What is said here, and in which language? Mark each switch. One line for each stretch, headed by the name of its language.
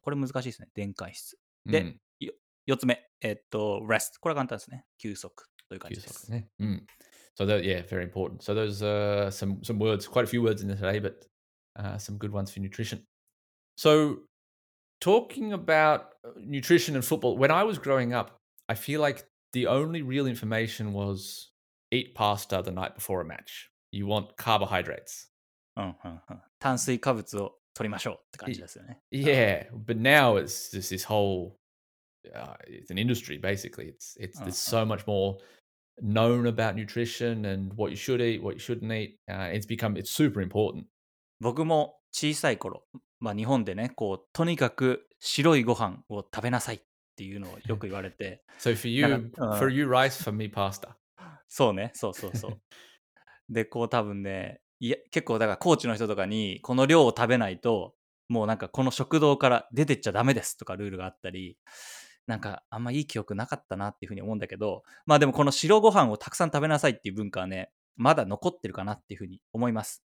Japanese: これ難しいですね、電解質。で、4つ目、rest。これは簡単ですね、休息という感じです。休息ね。
English: So that, yeah, very important. So those are some words, quite a few words in there today, but some good ones for nutrition. So talking about nutrition and football, when I was growing up, I feel like the only real information was eat pasta the night before a match. You want carbohydrates.
Japanese: 炭水化物を取りましょうって感じですよね。
English: Yeah, but now it's just this whole, it's an industry basically. It's there's so much more known about nutrition and what you should eat, what you shouldn't eat. It's super important.
Japanese: 僕も小さい頃、まあ日本でね、こうとにかく白いご飯を食べなさいっていうのをよく言われて。
English: So for you rice, for me pasta.
Japanese: そうね、そうそうそう。でこう多分ね、いや結構だからコーチの人とかにこの量を食べないともうなんかこの食堂から出てっちゃダメですとかルールがあったり、なんかあんまいい記憶なかったなっていうふうに思うんだけど、まあでもこの白ご飯をたくさん食べなさいっていう文化はねまだ残ってるかなっていうふうに思います。